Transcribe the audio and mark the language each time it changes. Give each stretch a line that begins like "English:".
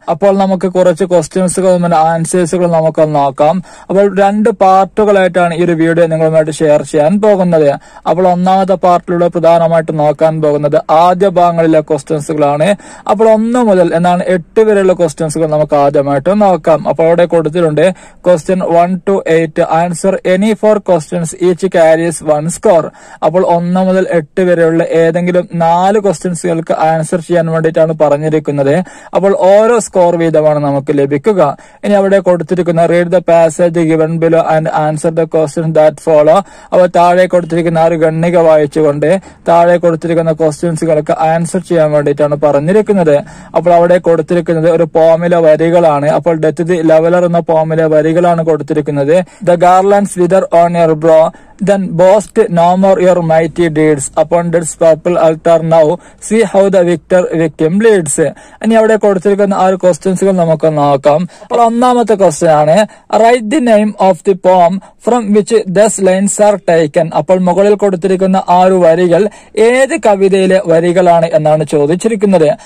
Malayalam: അപ്പോൾ നമുക്ക് കുറച്ച് ക്വസ്റ്റ്യൻസുകളും ആൻസേഴ്സുകളും നമുക്കൊന്ന് നോക്കാം. അപ്പോൾ രണ്ട് പാർട്ടുകളായിട്ടാണ് ഈ ഒരു വീഡിയോ നിങ്ങളുമായിട്ട് ഷെയർ ചെയ്യാൻ പോകുന്നത്. അപ്പോൾ ഒന്നാമത്തെ പാർട്ടിലൂടെ പ്രധാനമായിട്ട് നോക്കാൻ പോകുന്നത് ആദ്യ ഭാഗങ്ങളിലെ ക്വസ്റ്റ്യൻസുകളാണ്. അപ്പോൾ ഒന്ന് മുതൽ എന്നാണ് എട്ട് വരെയുള്ള ക്വസ്റ്റ്യൻസുകൾ നമുക്ക് ആദ്യമായിട്ട് നോക്കാം. അപ്പോൾ അവിടെ കൊടുത്തിട്ടുണ്ട് question 1 to 8,
English: answer any 4 questions each carries 1 score.
Malayalam: അപ്പോൾ 1 മുതൽ 8 വരെയുള്ള ഏതെങ്കിലും 4 ക്വസ്റ്റ്യൻസുകൾക്ക് ആൻസർ ചെയ്യാൻ വേണ്ടിയിട്ടാണ് പറഞ്ഞിരിക്കുന്നത്. അപ്പോൾ ഓരോ സ്കോർ വീതമാണ് നമുക്ക് ലഭിക്കുക. ഇനി അവിടെ കൊടുത്തിരിക്കുന്ന
English: Read the passage given below and answer the question that follow.
Malayalam: അപ്പോൾ താഴെ കൊടുത്തിരിക്കുന്ന ആ ഒരു ഗണ്ണിക വായിച്ചുകൊണ്ട് താഴെ കൊടുത്തിരിക്കുന്ന ക്വസ്റ്റ്യൻസുകൾക്ക് ആൻസർ ചെയ്യാൻ വേണ്ടിയിട്ടാണ് പറഞ്ഞിരിക്കുന്നത്. അപ്പോൾ അവിടെ കൊടുത്തിരിക്കുന്നത് ഒരു പോമിലെ വരികളാണ്. അപ്പോൾ ഡെത്ത് ദി ലെവലർ എന്ന പോമിലെ വരികളാണ് കൊടുത്തിരിക്കുന്നത്.
English: The garlands wither on your brow, then boast no more your mighty deeds. Upon this purple altar now, see how the victor victim bleeds.
Malayalam: ഇനി അവിടെ കൊടുത്തിരിക്കുന്ന ആ ഒരു ക്വസ്റ്റ്യൻസുകൾ നമുക്ക് നോക്കാം. അപ്പോൾ ഒന്നാമത്തെ ക്വസ്റ്റ്യൻ ആണ്
English: Write the name of the poem from which these lines are taken.
Malayalam: അപ്പോൾ മുകളിൽ കൊടുത്തിരിക്കുന്ന ആ ഒരു വരികൾ ഏത് കവിതയിലെ വരികളാണ് എന്നാണ് ചോദിച്ചിരിക്കുന്നത്.